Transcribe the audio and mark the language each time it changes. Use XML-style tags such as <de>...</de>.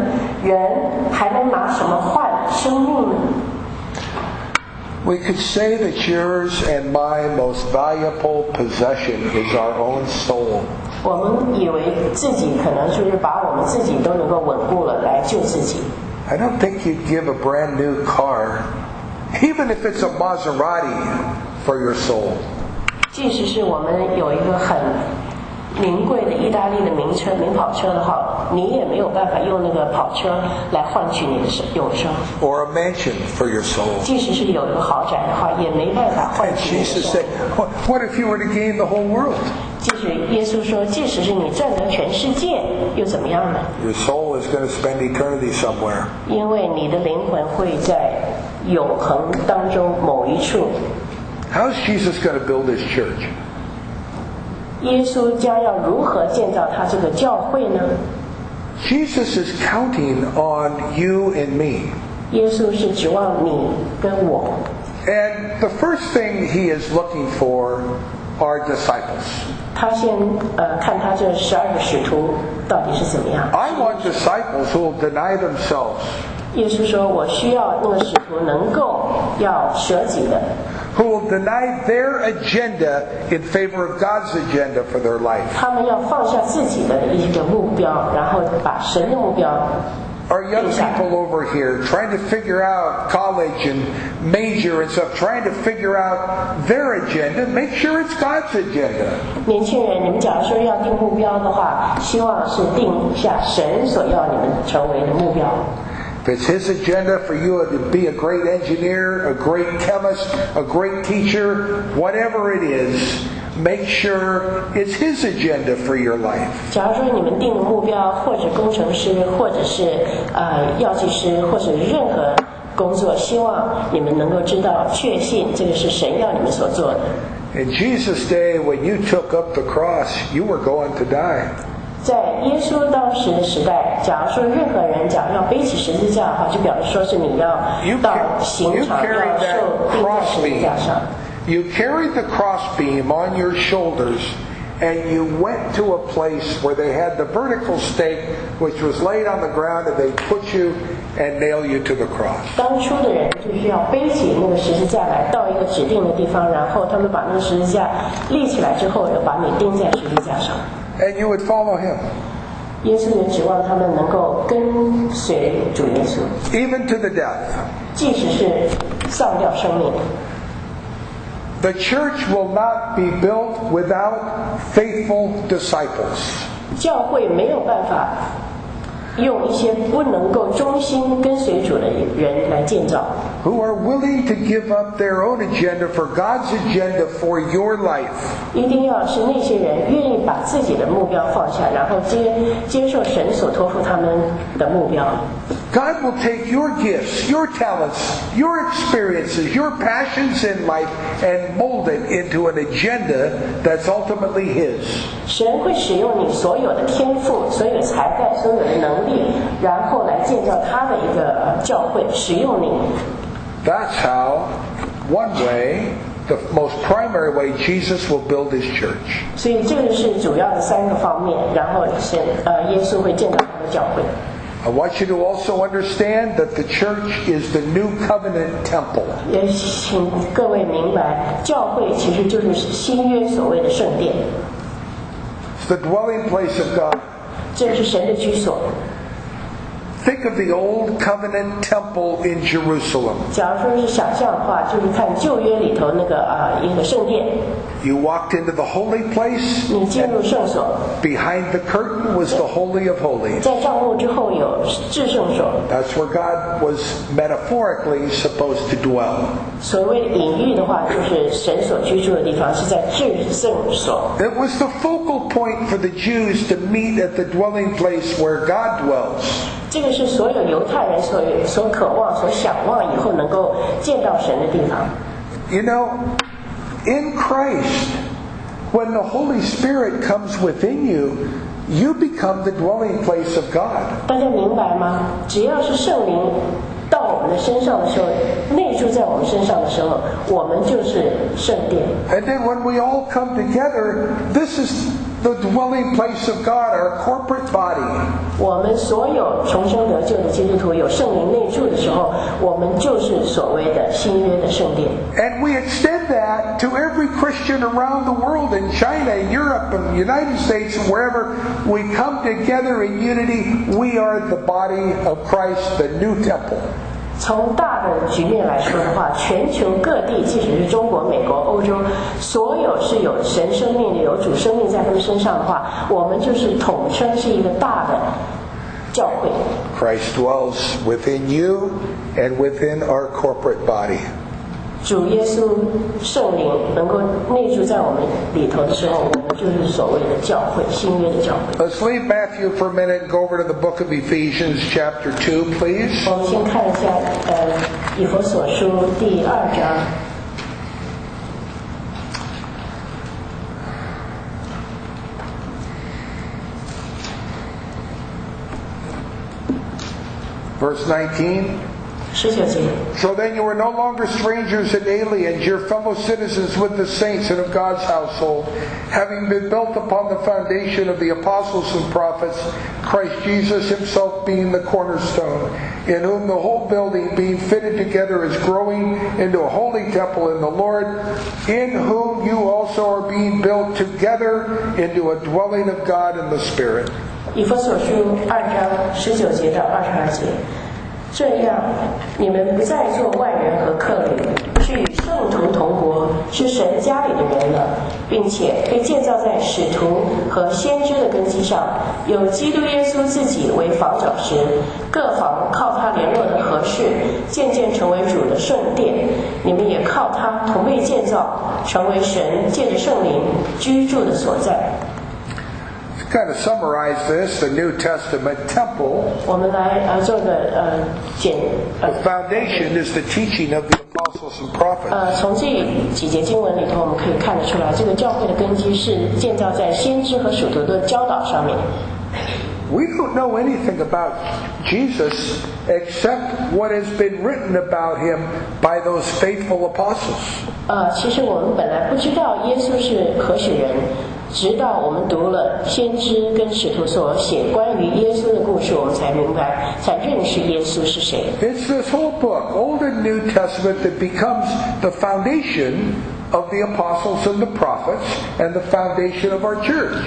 <zh>26节，于是耶稣对门徒说：“若有人要跟从我，就当舍己背起他的十字架来跟从我。因为凡要救自己生命的，必丧掉生命；凡为我丧掉生命的，必得着生命。人若赚得全世界，赔上自己的生命，有什么益处呢？人还能拿什么换生命呢？"</zh> <en>We could say that yours and my most valuable possession is our own soul.</en> <zh>我们以为自己可能就是把我们自己都能够稳固了来救自己。</zh> <en>I don't think you'd give a brand new car, even if it's a Maserati, for your soul.</en> <zh>即使是我们有一个很名贵的意大利的名车、名跑车的话，你也没有办法用那个跑车来换取你的永生。</zh> <en>Or a mansion for your soul.</en> <zh>即使是有一个豪宅的话，也没办法换取你的永生。</zh> <en>What if you were to gain the whole world?</en> <zh>即使耶稣说，即使是你赚得全世界，又怎么样呢？</zh> <en>Your soul is going to spend eternity somewhere.</en> <zh>因为你的灵魂会在永恒当中某一处。</zh> <en>How's Jesus going to build his church?</en> <zh>耶稣将要如何建造他这个教会呢？</zh> <en>Jesus is counting on you and me.</en> <zh>耶稣是指望你跟我。</zh> <en>And the first thing he is looking for are disciples.</en> <zh>他先看他这十二个使徒到底是怎么样。</zh> <en>I want disciples who will deny themselves.</en> <zh>耶稣说我需要那个使徒能够要舍己的。</zh> <en>Who will deny their agenda in favor of God's agenda for their life?</en> <zh>他们要放下自己的一个目标，然后把神的目标。</zh> <en>Our young people over here trying to figure out college and major and stuff, trying to figure out their agenda. Make sure it's God's agenda.</en> <zh>年轻人，你们假如说要定目标的话，希望是定下神所要你们成为的目标。</zh> <en>If it's his agenda for you to be a great engineer, a great chemist, a great teacher, whatever it is, make sure it's his agenda for your life.</en> <zh>假如说你们定的目标，或者工程师，或者是药剂师，或者任何工作，希望你们能够知道，确信这个是神要你们所做的。</zh> <en>In Jesus' day, when you took up the cross, you were going to die.</en> <zh>在耶稣当时的时代，假如说任何人假如要背起十字架的话，就表示说是你要到刑场要受钉在十字架上。</zh> <en>You carried the crossbeam on your shoulders, and you went to a place where they had the vertical stake, which was laid on the ground, and they put you and nail you to the cross.</en> <zh>当初的人就是要背起那个十字架来到一个指定的地方，然后他们把那个十字架立起来之后，又把你钉在十字架上。</zh> <en>And you would follow him.</en> <zh>耶稣也指望他们能够跟随主耶稣。</zh> <en>Even to the death.</en> <zh>即使是丧掉生命。</zh> <en>The church will not be built without faithful disciples.</en> <zh>教会没有办法用一些不能够忠心跟随主的人来建造。</zh> <en>who are willing to give up their own agenda for God's agenda for your life.</en> <zh>一定要是那些人愿意把自己的目标放下，然后接受神所托付他们的目标。</zh> <en>God will take your gifts, your talents, your experiences, your passions in life and mold it into an agenda that's ultimately His.</en> <zh>神会使用你所有的天赋、所有才干、所有的能力，然后来建造他的一个教会，使用你。</zh> <en>That's how, one way, the most primary way Jesus will build His church.</en> <zh>所以这个是主要的三个方面，然后神耶稣会建造他的教会。</zh> <en>I want you to also understand that the church is the new covenant temple.</en> <zh>也请各位明白，教会其实就是新约所谓的圣殿。</zh> <en>It's the dwelling place of God.</en> <zh>这是神的居所。</zh> <en>Think of the old covenant temple in Jerusalem.</en> <zh>假如说是想象的话，就是看旧约里头那个一个圣殿。</zh> <en>You walked into the holy place.</en> <zh>你进入圣所。</zh> <en>Behind the curtain was the holy of holies.</en> <zh>在帐幕之后有至圣所。</zh> <en>That's where God was metaphorically supposed to dwell.</en> <zh>所谓隐喻的话，就是神所居住的地方是在至圣所。</zh> <en>It was the focal point for the Jews to meet at the dwelling place where God dwells.</en> <zh>这个是所有犹太人所渴望、所想望以后能够见到神的地方。</zh> <en>You know. In Christ, when the Holy Spirit comes within you, you become the dwelling place of God.</en> <zh>大家明白吗？只要是圣灵到我们的身上的时候，内住在我们身上的时候，我们就是圣殿。</zh> <en>And then when we all come together, this is the dwelling place of God, our corporate body.</en> <zh>我们所有重生得救的基督徒有圣灵内住的时候，我们就是所谓的新约的圣殿。</zh> <en>And we extend. That to every Christian around the world in China, Europe, and the United States, wherever we come together in unity, we are the body of Christ, the new temple.</en> <zh>从大的局面来说的话，全球各地，即使是中国、美国、欧洲，所有是有神生命的、有主生命在他们身上的话，我们就是统称是一个大的教会。</zh> <en>Christ dwells within you and within our corporate body.</en> <zh>主耶稣圣灵能够内住在我们里头的时候，我们就是所谓的教会，新约的教会。</zh> <en>Let's leave Matthew for a minute and go over to the book of Ephesians chapter 2, please.</en> <zh>我们先看一下以弗所书第二章。</zh> <en>So then you are no longer strangers and aliens, you're fellow citizens with the saints and of God's household, having been built upon the foundation of the apostles and prophets, Christ Jesus himself being the cornerstone, in whom the whole building being fitted together is growing into a holy temple in the Lord, in whom you also are being built together into a dwelling of God in the Spirit.</en> <zh>以弗所书二章十九节到二十二节。这样，你们不再做外人和客旅，是与圣徒同国，是神家里的人了，并且被建造在使徒和先知的根基上，有基督耶稣自己为房角石，各房靠他联络的合适，渐渐成为主的圣殿。你们也靠他同被建造，成为神借着圣灵居住的所在。</zh> <en>Kind of summarize this, the New Testament temple.</en> <zh>我们来做个</zh> <en>The foundation is the teaching of the apostles and prophets.</en> <zh>从这几节经文里头，我们可以看得出来，这个教会的根基是建造在先知和使徒的教导上面。</zh> <en>We don't know anything about Jesus except what has been written about him by those faithful apostles.</en> <zh>其实我们本来不知道耶稣是何许人。直到我们读了先知跟使徒所写关于耶稣的故事，我们才明白，才认识耶稣是谁。</zh> <en>It's this whole book, Old and New Testament, that becomes the foundation of the apostles and the prophets and the foundation of our church.</en>